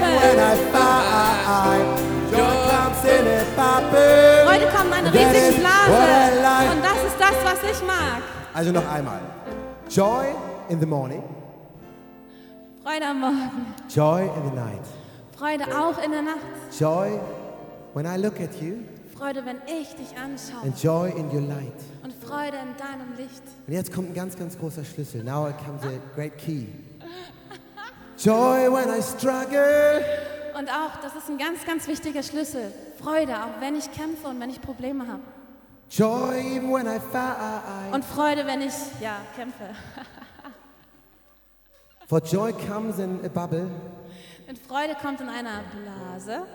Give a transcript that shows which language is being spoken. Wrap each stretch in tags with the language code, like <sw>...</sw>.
<en>when I fight, joy comes in a bubble.</en> <de>Heute kommt meine riesige Blase und das ist das, was ich mag. Also noch einmal.</de> <en>Joy in the morning.</en> <de>Freude am Morgen.</de> <en>Joy in the night.</en> <de>Freude auch in der Nacht.</de> <en>Joy when I look at you.</en> <de>Freude, wenn ich dich anschaue.</de> <en>And joy in your light.</en> <de>Und Freude in deinem Licht. Und jetzt kommt ein ganz, ganz großer Schlüssel.</de> <en>Now comes a great key. Joy when I struggle.</en> <de>Und auch, das ist ein ganz, ganz wichtiger Schlüssel. Freude, auch wenn ich kämpfe und wenn ich Probleme habe.</de> <en>Joy even when I fight.</en> <de>Und Freude, wenn ich, ja, kämpfe.</de> <en>For joy comes in a bubble.</en> <de>Und Freude kommt in einer Blase.</de>